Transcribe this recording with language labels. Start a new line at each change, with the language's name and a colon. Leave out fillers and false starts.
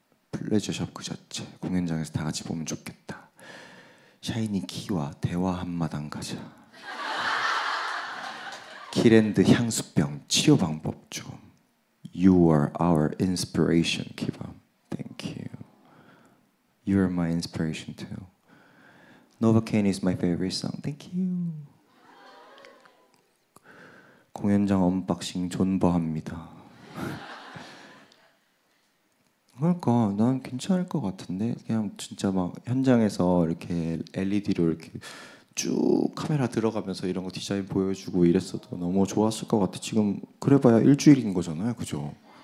Korean: 플레저 샵 그 자체 공연장에서 다 같이 보면 좋겠다. 샤이니 키와 대화 한 마당 가자. 키랜드 향수병 치료 방법 좀
English: You are our inspiration, 기범 Thank you You are my inspiration too Novocaine is my favorite song, thank you
Korean: 공연장 언박싱 존버합니다 그럴까? 난 괜찮을 것 같은데 그냥 진짜 막 현장에서 이렇게 LED로 이렇게 쭉 카메라 들어가면서 이런 거 디자인 보여주고 이랬어도 너무 좋았을 것 같아. 지금 그래봐야 일주일인 거잖아요, 그죠?